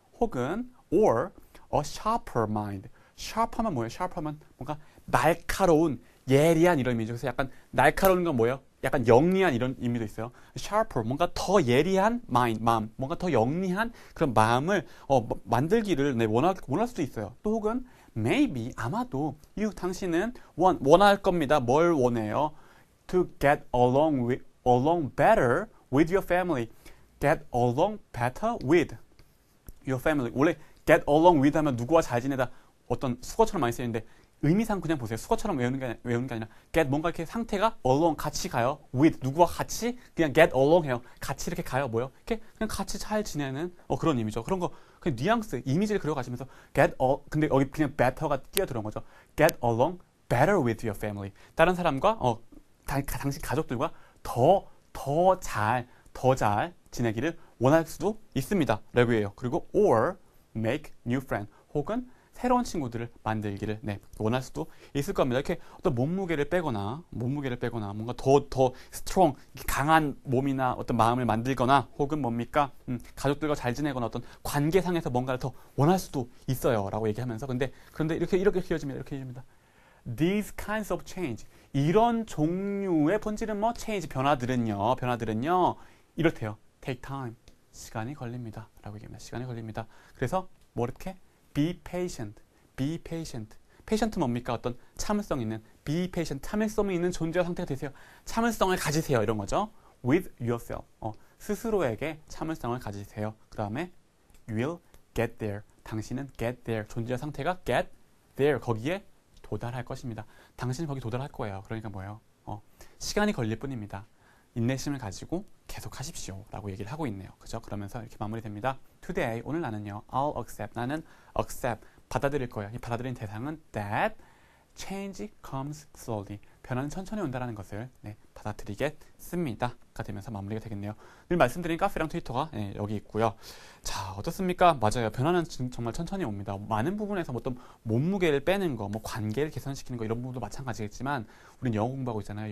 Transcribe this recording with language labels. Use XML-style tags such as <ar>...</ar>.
<ko>혹은</ko> <en>or a sharper mind.</en> <ko>sharp 하면 뭐예요? sharp 하면 뭔가 날카로운 예리한 이런 의미죠. 그래서 약간 날카로운 건 뭐예요? 약간 영리한 이런 의미도 있어요. sharper, 뭔가 더 예리한 mind, 마음, 뭔가 더 영리한 그런 마음을 만들기를 내 원할 수도 있어요. 또 혹은 maybe, 아마도 you, 당신은 원할 겁니다. 뭘 원해요?</ko> <en>To get along with, along better with your family. Get along better with your family.</en> <ko>원래 get along with 하면 누구와 잘 지내다 어떤 수거처럼 많이 쓰이는데 의미상 그냥 보세요. 수거처럼 외우는 게 아니라 get 뭔가 이렇게 상태가 along 같이 가요. with 누구와 같이 그냥 get along 해요. 같이 이렇게 가요. 뭐요? 이렇게 그냥 같이 잘 지내는 그런 의미죠. 그런 거 그냥 뉘앙스, 이미지를 그려가시면서 get all 근데 여기 그냥 better가 뛰어들어온 거죠.</ko> <en>get along better with your family.</en> <ko>다른 사람과 당신 가족들과 더 잘 지내기를 원할 수도 있습니다. 라고 해요. 그리고</ko> <en>or make new friend</en> <ko>혹은 새로운 친구들을 만들기를 원할 수도 있을 겁니다. 이렇게 어떤 몸무게를 빼거나 뭔가 더 스트롱 강한 몸이나 어떤 마음을 만들거나 혹은 뭡니까 가족들과 잘 지내거나 어떤 관계상에서 뭔가를 더 원할 수도 있어요라고 얘기하면서 근데 이렇게 이어집니다.</ko> <en>These kinds of change</en> <ko>이런 종류의 본질은 뭐 change 변화들은요 이렇대요.</ko> <en>Take time</en> <ko>시간이 걸립니다라고 얘기합니다. 시간이 걸립니다. 그래서 뭐 이렇게</ko> <en>Be patient.</en> <ko>Patient 뭡니까? 어떤 참을성 있는.</ko> <en>Be patient.</en> <ko>참을성 있는 존재와 상태가 되세요. 참을성을 가지세요. 이런 거죠.</ko> <en>With yourself.</en> <ko>스스로에게 참을성을 가지세요. 그 다음에</ko> <en>will get there.</en> <ko>당신은</ko> <en>get there.</en> <ko>존재와 상태가 get there. 거기에 도달할 것입니다. 당신은 거기 도달할 거예요. 그러니까 뭐예요? 시간이 걸릴 뿐입니다. 인내심을 가지고 계속하십시오. 라고 얘기를 하고 있네요. 그죠? 그러면서 이렇게 마무리됩니다.</ko> <en>Today,</en> <ko>오늘 나는요.</ko> <en>I'll accept.</en> <ko>나는 accept. 받아들일 거예요. 이 받아들인 대상은</ko> <en>that change comes slowly.</en> <ko>변화는 천천히 온다라는 것을 받아들이겠습니다. 가 되면서 마무리가 되겠네요. 늘 말씀드린 카페랑 트위터가 여기 있고요. 자, 어떻습니까? 맞아요. 변화는 정말 천천히 옵니다. 많은 부분에서 어떤 몸무게를 빼는 거, 관계를 개선시키는 거 이런 부분도 마찬가지겠지만 우린 영어 공부하고 있잖아요.</ko>